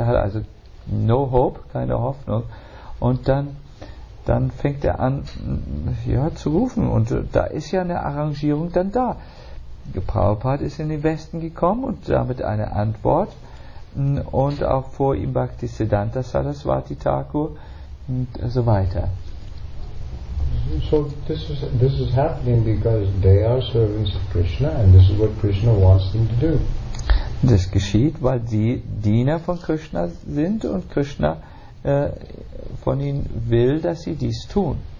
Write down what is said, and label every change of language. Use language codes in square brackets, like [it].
[de] Er hat also [en] no hope, [de] keine Hoffnung. Und dann fängt er an, ja, zu rufen. Und da ist ja eine Arrangierung dann da. Prabhupada ist in den Westen gekommen und damit eine Antwort. Und auch vor ihm Bhaktisiddhanta Saraswati Thakur und so weiter. [en] So this is happening because they are servants of Krishna and this is what Krishna wants them to do. [de] Das geschieht, weil sie Diener von Krishna sind und Krishna von ihnen will, dass sie dies tun.